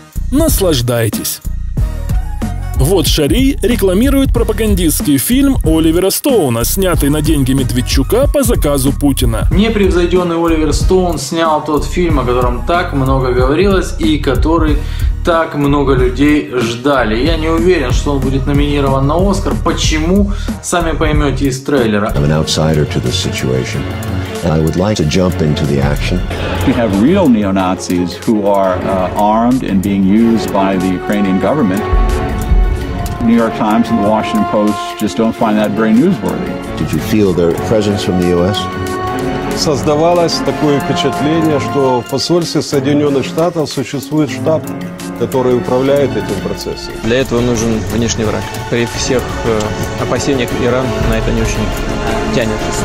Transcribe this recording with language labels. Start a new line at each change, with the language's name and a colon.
Russian: Наслаждайтесь! Вот Шарий рекламирует пропагандистский фильм Оливера Стоуна, снятый на деньги Медведчука по заказу Путина. Непревзойденный Оливер Стоун снял тот фильм, о котором так много говорилось и который так много людей ждали. Я не уверен, что он будет номинирован на Оскар. Почему? Сами поймете из трейлера.
English: I'm an outsider to this situation, and I would like to jump into the action. We have real neo-Nazis who are armed and being used by the Ukrainian government. New York Times and the Washington Post just don't find that very newsworthy. Did you feel their presence from the U.S.?
Russian: Создавалось такое впечатление, что в посольстве Соединенных Штатов существует штаб, который управляет этим процессом. Для этого нужен внешний враг. При всех опасениях Иран на это не очень тянет.